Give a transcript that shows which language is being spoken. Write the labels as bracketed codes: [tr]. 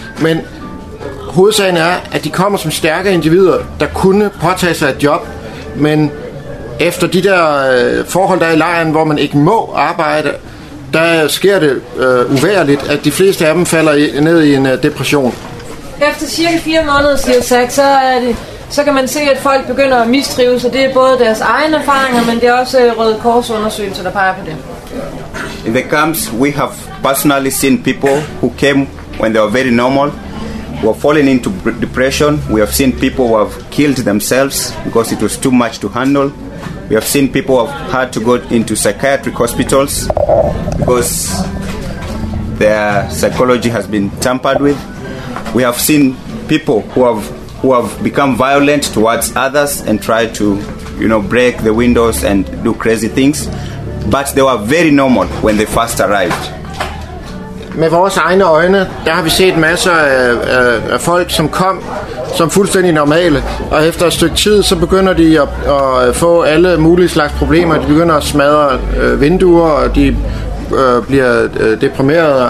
[da] Men hovedsagen er, at de kommer som stærke individer, der kunne påtage sig et job, men efter de der forhold, der er i lejren, hvor man ikke må arbejde, der sker det uværligt, at de fleste af dem falder ned i en depression. Efter cirka 4 måneder, siger Zach, så er det så kan man se, at folk begynder at mistrives, og det er både deres egne erfaringer, men det er også Røde Kors undersøgelser, der peger på det. [en] In the camps, we have personally seen people who came when they were very normal, who have fallen into depression. We have seen people who have killed themselves because it was too much to handle. We have seen people who have had to go into psychiatric hospitals because their psychology has been tampered with. We have seen people who have become violent towards others and try to, you know, break the windows and do crazy things. But they were very normal when they first arrived. [da] Med vores egne øjne, der har vi set masser af folk, som kom som fuldstændig normale. Og efter et stykke tid, så begynder de at få alle mulige slags problemer. De begynder at smadre vinduer, og de bliver deprimeret.